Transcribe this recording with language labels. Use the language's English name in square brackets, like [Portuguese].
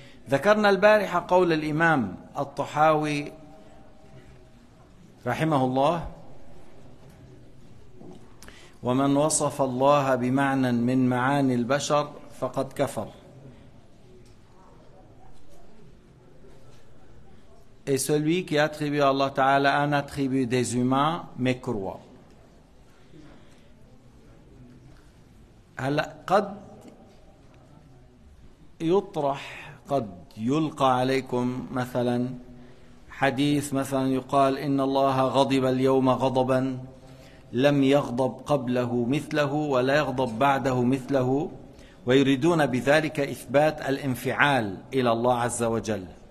[Arabic] ذكرنا البارحة قول الإمام الطحاوي رحمه الله: ومن وصف الله بمعنى من معاني البشر فقد كفر. [French] Et celui qui attribue à Allah Ta'ala un attribut des humains mécroit. [Arabic] هلا قد يطرح قد يلقى عليكم مثلا حديث، مثلا يقال إن الله غضب اليوم غضبا لم يغضب قبله مثله ولا يغضب بعده مثله، ويريدون بذلك إثبات الانفعال إلى الله عز وجل.